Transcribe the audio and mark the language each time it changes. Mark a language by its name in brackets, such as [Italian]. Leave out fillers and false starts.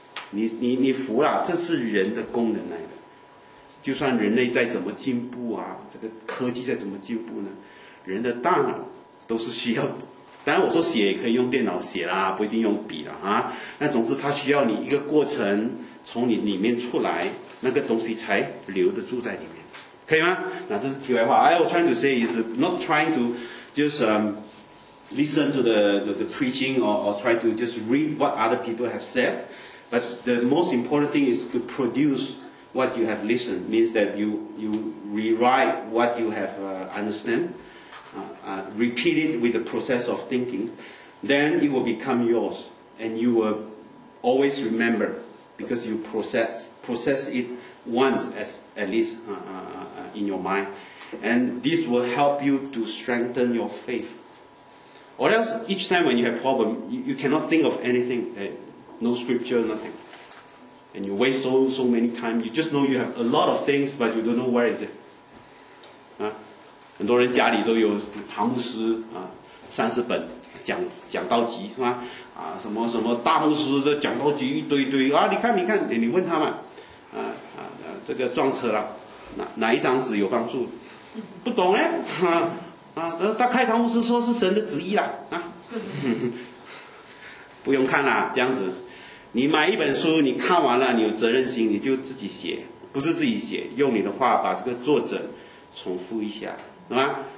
[Chinese] 你服了，这是人的功能来的。就算人类再怎么进步啊，这个科技再怎么进步呢，人的大脑都是需要，当然我说写也可以用电脑写啦，不一定用笔啦啊。那总之它需要你一个过程从你里面出来，那个东西才留得住在里面，可以吗？那这是题外话。 [English] I was trying to say is not trying to just listen to the preaching or try to just read what other people have said, but the most important thing is to produce what you have listened. Means that you rewrite what you have understand, repeat it with the process of thinking, then it will become yours, and you will always remember because you process it once at least in your mind, and this will help you to strengthen your faith. Or else, each time when you have problem, you cannot think of anything, no scripture, nothing, and you waste so many time. You just know you have a lot of things, but you don't know where is it. [Chinese] 啊，很多人家里都有唐牧师啊，三十本讲道集是吧？啊，什么什么大牧师的讲道集一堆堆啊，你看，你问他嘛。这个撞车了，哪一张纸有帮助？不懂哎，大开堂牧师说是神的旨意啦，不用看啦，这样子，你买一本书，你看完了，你有责任心，你就自己写，不是自己写，用你的话把这个作者重复一下，是吧？